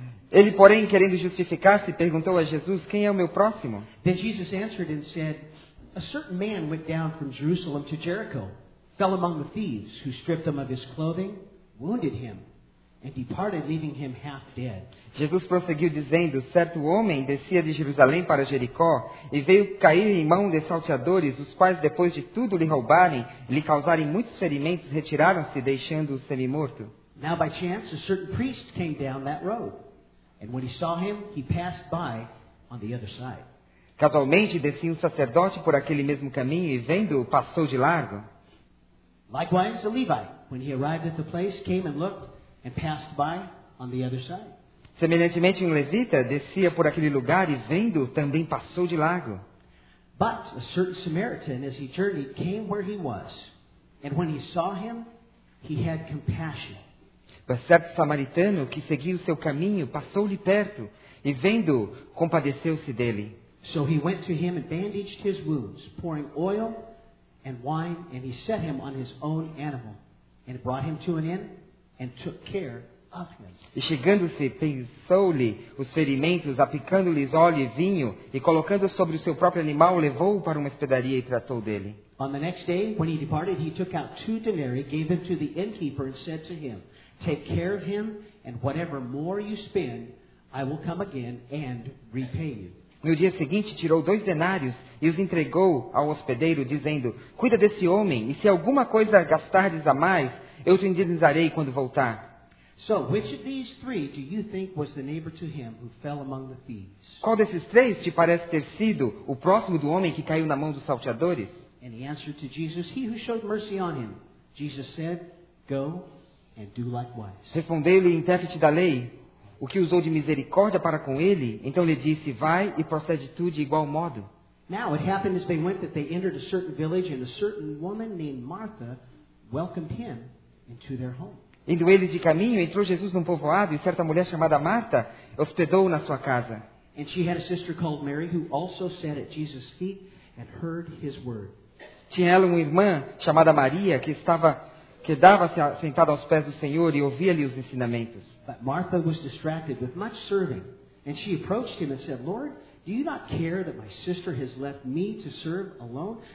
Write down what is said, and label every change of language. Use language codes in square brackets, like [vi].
[pt] Ele, porém, querendo justificar-se, perguntou a Jesus, quem é o meu próximo? [en] Then Jesus answered and said, a certain man went down from Jerusalem to Jericho, fell among the thieves, who stripped him of his clothing, wounded him, and departed, leaving him half dead. [pt] Jesus prosseguiu dizendo, certo homem descia de Jerusalém para Jericó, e veio cair em mão de salteadores, os quais, depois de tudo lhe roubarem, lhe causarem muitos ferimentos, retiraram-se, deixando-o semi-morto. [en] Now by chance, a certain priest came down that road, and when he saw him, he passed by on the other side. [pt] Casualmente, descia um sacerdote por aquele mesmo caminho, e vendo-o, passou de largo. [en] Likewise, the Levite, when he arrived at the place, came and looked and passed by on the other side. [pt] Semelhantemente, um levita descia por aquele lugar e vendo, também passou de largo. [en] But a certain Samaritan, as he journeyed, came where he was, and when he saw him, he had compassion. [pt] Mas certo samaritano que seguiu seu caminho passou-lhe perto e vendo, compadeceu-se dele. [en] So he went to him and bandaged his wounds, pouring oil and wine, and he set him on his own animal, and brought him to an inn, and took care of him. [pt] E chegando-se, pensou-lhe os ferimentos, aplicando-lhes óleo e vinho, e colocando sobre o seu próprio animal, levou-o para uma hospedaria e tratou dele. [en] On the next day, when he departed, he took out 2 denarii, gave them to the innkeeper, and said to him, take care of him, and whatever more you spend, I will come again and repay you. [pt] No dia seguinte, tirou 2 denários e os entregou ao hospedeiro, dizendo, cuida desse homem, e se alguma coisa gastardes a mais, eu te indenizarei quando voltar. [en] So, which of these three do you think was the neighbor to him who fell among the thieves? [pt] Qual desses três te parece ter sido o próximo do homem que caiu na mão dos salteadores? [en] And he answered to Jesus, he who showed mercy on him. Jesus said, go and do likewise. [pt] Respondeu-lhe o intérprete da lei, o que usou de misericórdia para com ele, então lhe disse, vai e procede tu de igual modo. [en] Now it happened as they went that they entered a certain village and a certain woman named Martha welcomed him into their home. [pt] Indo eles de caminho, entrou Jesus num povoado e certa mulher chamada Marta hospedou-o na sua casa. [en] And she had a sister called Mary who also sat at Jesus' feet and heard his word. [pt] Tinha ela uma irmã chamada Maria que estava... quedava-se sentada aos pés do Senhor e ouvia-lhe os ensinamentos. [en] But Martha was distracted with much serving, and she approached him and said, Lord, do you not care that my sister has left me to serve alone?